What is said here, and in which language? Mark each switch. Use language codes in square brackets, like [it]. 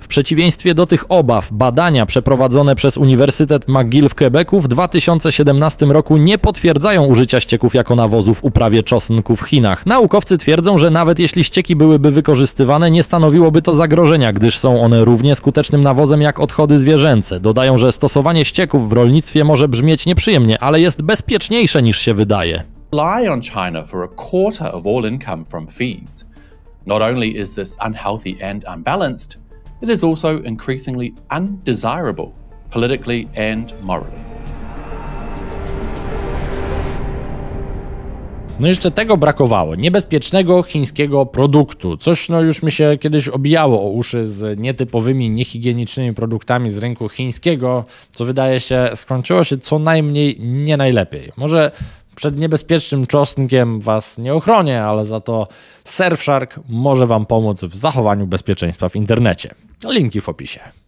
[pl] W przeciwieństwie do tych obaw, badania przeprowadzone przez Uniwersytet McGill w Quebecu w 2017 roku nie potwierdzają użycia ścieków jako nawozów w uprawie czosnku w Chinach. Naukowcy twierdzą, że nawet jeśli ścieki byłyby wykorzystywane, nie stanowiłoby to zagrożenia, gdyż są one równie skutecznym nawozem jak odchody zwierzęce. Dodają, że stosowanie ścieków w rolnictwie może brzmieć nieprzyjemnie, ale jest bezpieczniejsze niż się wydaje. [en] Rely on China for a quarter of all income from feeds. Not only is this unhealthy and unbalanced, it is also increasingly undesirable. Politically and morally. [pl] No jeszcze tego brakowało, niebezpiecznego chińskiego produktu. Coś no już mi się kiedyś obijało o uszy z nietypowymi, niehigienicznymi produktami z rynku chińskiego, co wydaje się skończyło się co najmniej nie najlepiej. Może przed niebezpiecznym czosnkiem was nie ochronię, ale za to Surfshark może wam pomóc w zachowaniu bezpieczeństwa w internecie. Linki w opisie.